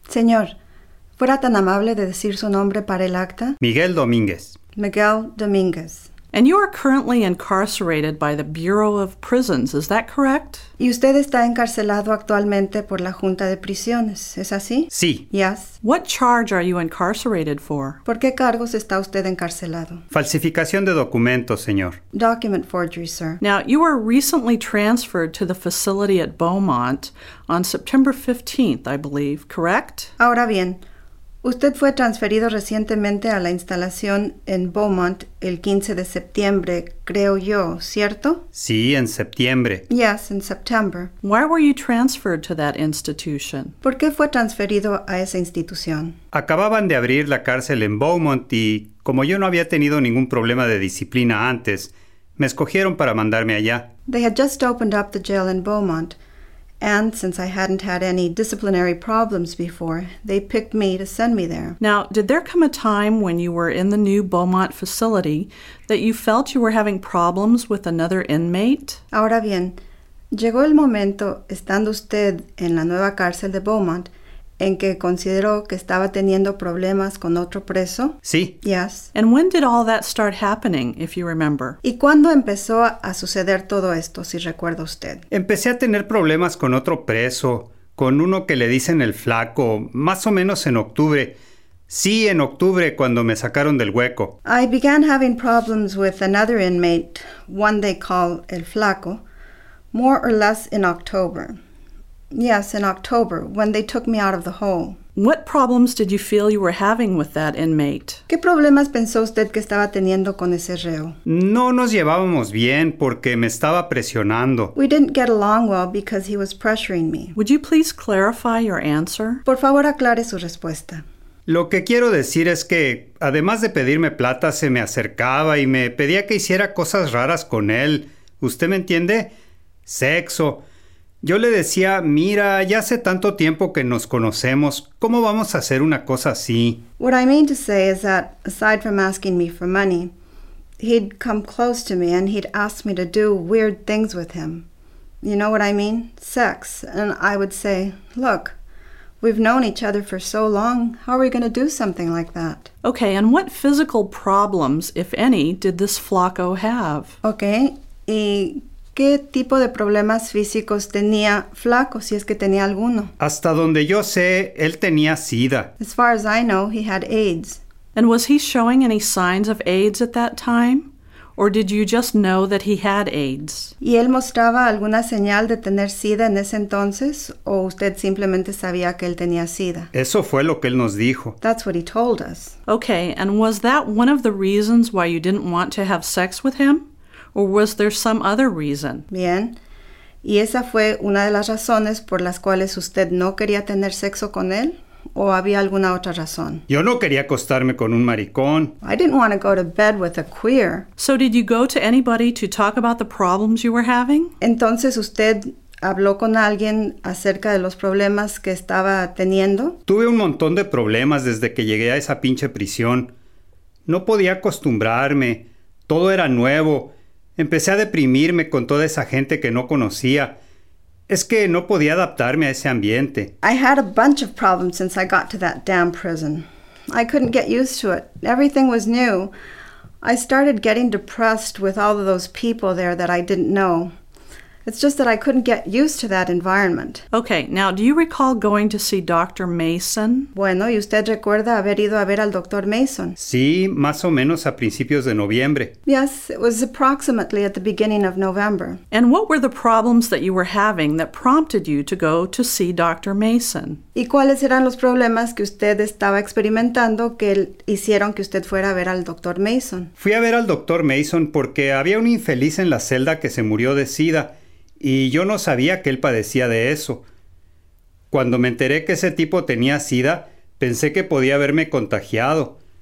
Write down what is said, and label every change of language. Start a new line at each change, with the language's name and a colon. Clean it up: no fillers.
Spanish: Señor, ¿fuera tan amable de decir su nombre para el acta? Miguel Domínguez. Miguel Domínguez.
English: And you are currently incarcerated by the Bureau of Prisons, is that correct?
Spanish: Y usted está encarcelado actualmente por la Junta de Prisiones, ¿es así? Sí.
English: Yes. What charge are you incarcerated for?
Spanish: ¿Por qué cargos está usted encarcelado? Falsificación de documentos, señor.
English: Document forgery, sir. Now, you were recently transferred to the facility at Beaumont on September 15th, I believe, correct?
Spanish: Ahora bien. Usted fue transferido recientemente a la instalación en Beaumont el 15 de septiembre, creo yo, ¿cierto? Sí, en septiembre.
English: Yes, in September. Why were you transferred to that institution?
Spanish: ¿Por qué fue transferido a esa institución? Acababan de abrir la cárcel en Beaumont y, como yo no había tenido ningún problema de disciplina antes, me escogieron para mandarme allá.
English: They had just opened up the jail in Beaumont. And since I hadn't had any disciplinary problems before, they picked me to send me there. Now, did there come a time when you were in the new Beaumont facility that you felt you were having problems with another inmate?
Spanish: Ahora bien, llegó el momento, estando usted en la nueva cárcel de Beaumont, en que consideró que estaba teniendo problemas con otro preso? Sí.
English: Yes. And when did all that start happening, if you remember?
Spanish: ¿Y cuándo empezó a suceder todo esto, si recuerda usted? Empecé a tener problemas con otro preso, con uno que le dicen el flaco, más o menos en octubre. Sí, en octubre, cuando me sacaron del hueco.
English: I began having problems with another inmate, one they call el flaco, more or less in October. Yes, in October, when they took me out of the hole. What problems did you feel you were having with that inmate?
Spanish: ¿Qué problemas pensó usted que estaba teniendo con ese reo? No nos llevábamos bien porque me estaba presionando.
English: We didn't get along well because he was pressuring me. Would you please clarify your answer?
Spanish: Por favor, aclare su respuesta. Lo que quiero decir es que, además de pedirme plata, se me acercaba y me pedía que hiciera cosas raras con él. ¿Usted me entiende? Sexo. Yo le decía, mira, ya hace tanto tiempo que nos conocemos, ¿cómo vamos a hacer una cosa así?
English: What I mean to say is that, aside from asking me for money, he'd come close to me and he'd ask me to do weird things with him. You know what I mean? Sex. And I would say, look, we've known each other for so long, how are we going to do something like that? Okay, and what physical problems, if any, did this flaco have?
Spanish: Okay, y... ¿Qué tipo de problemas físicos tenía Flaco, si es que tenía alguno? Hasta donde yo sé, él tenía SIDA.
English: As far as I know, he had AIDS. And was he showing any signs of AIDS at that time? Or did you just know that he had AIDS?
Spanish: ¿Y él mostraba alguna señal de tener SIDA en ese entonces? ¿O usted simplemente sabía que él tenía SIDA? Eso fue lo que él nos dijo.
English: That's what he told us. Okay, and was that one of the reasons why you didn't want to have sex with him? Or was there some other reason?
Spanish: Bien. ¿Y esa fue una de las razones por las cuales usted no quería tener sexo con él? ¿O había alguna otra razón? Yo no quería acostarme con un maricón.
English: I didn't want to go to bed with a queer. So did you go to anybody to talk about the problems you were having?
Spanish: Entonces usted... ¿Habló con alguien acerca de los problemas que estaba teniendo? Tuve un montón de problemas desde que llegué a esa pinche prisión. No podía acostumbrarme. Todo era nuevo. Empecé a deprimirme con toda esa gente que no conocía. Es que no podía adaptarme a ese ambiente.
English: I had a bunch of problems since I got to that damn prison. I couldn't get used to it. Everything was new. I started getting depressed with all of those people there that I didn't know. It's just that I couldn't get used to that environment. Okay, now, do you recall going to see Dr. Mason?
Spanish: Bueno, ¿y usted recuerda haber ido a ver al Dr. Mason? Sí, más o menos a principios de noviembre.
English: Yes, it was approximately at the beginning of November. And what were the problems that you were having that prompted you to go to see Dr. Mason?
Spanish: ¿Y cuáles eran los problemas que usted estaba experimentando que hicieron que usted fuera a ver al Dr. Mason? Fui a ver al Dr. Mason porque había un infeliz en la celda que se murió de SIDA. Y yo no sabía que él padecía de eso. Cuando me enteré que ese tipo tenía SIDA, pensé que podía haberme contagiado.